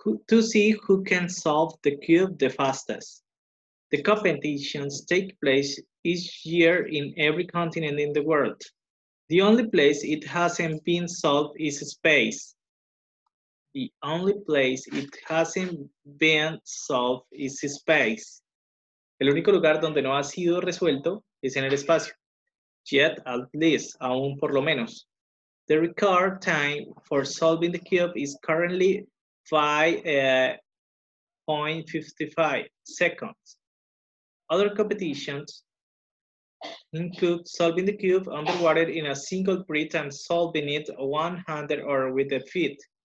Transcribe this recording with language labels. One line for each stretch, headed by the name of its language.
English: To see who can solve the cube the fastest. The competitions take place each year in every continent in the world. The only place it hasn't been solved is space. The only place it hasn't been solved is space.
Spanish: El único lugar donde no ha sido resuelto es en el espacio.
English: Yet, at least,
Spanish: aún por lo menos.
English: The record time for solving the cube is currently 5.55 seconds. Other competitions include solving the cube underwater in a single breath and solving it one-handed or with the feet.